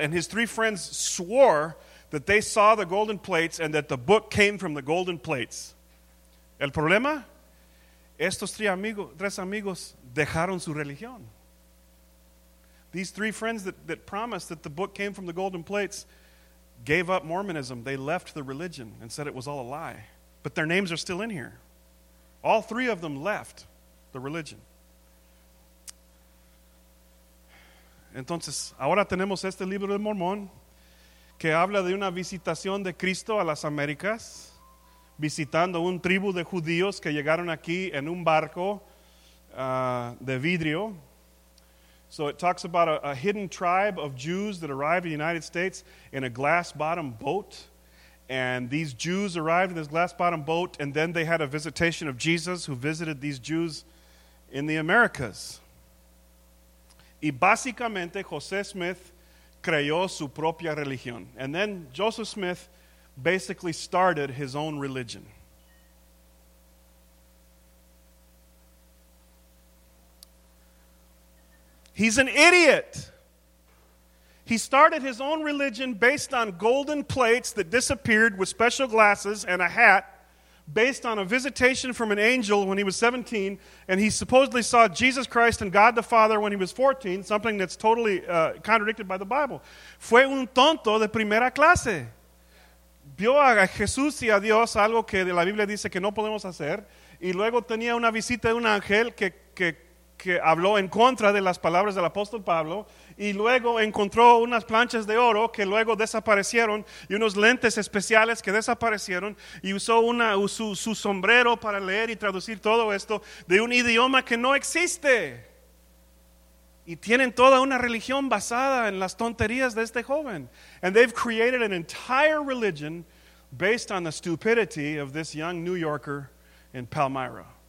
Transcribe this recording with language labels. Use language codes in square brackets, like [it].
[en] And his three friends swore that they saw the golden plates and that the book came from the golden plates. [es] El problema, estos tres amigos dejaron su religión. [en] These three friends that promised that the book came from the golden plates gave up Mormonism. They left the religion and said it was all a lie. But their names are still in here. All three of them left the religion. [es] Entonces, ahora tenemos este libro de Mormón que habla de una visitación de Cristo a las Américas, visitando un tribu de judíos que llegaron aquí en un barco de vidrio. [en] So it talks about a hidden tribe of Jews that arrived in the United States in a glass-bottom boat. And these Jews arrived in this glass-bottom boat, and then they had a visitation of Jesus who visited these Jews in the Americas. [es] Y básicamente, José Smith creó su propia religión. [en] And then Joseph Smith basically started his own religion. He's an idiot. He started his own religion based on golden plates that disappeared with special glasses and a hat based on a visitation from an angel when he was 17, and he supposedly saw Jesus Christ and God the Father when he was 14, something that's totally contradicted by the Bible. [es] Fue un tonto de primera clase. Vio a Jesús y a Dios algo que la Biblia dice que no podemos hacer, y luego tenía una visita de un ángel que habló en contra de las palabras del apóstol Pablo, y luego encontró unas planchas de oro que luego desaparecieron, y unos lentes especiales que desaparecieron, y usó su sombrero para leer y traducir todo esto de un idioma que no existe. Y tienen toda una religión basada en las tonterías de este joven. [en] And they've created an entire religion based on the stupidity of this young New Yorker in Palmyra.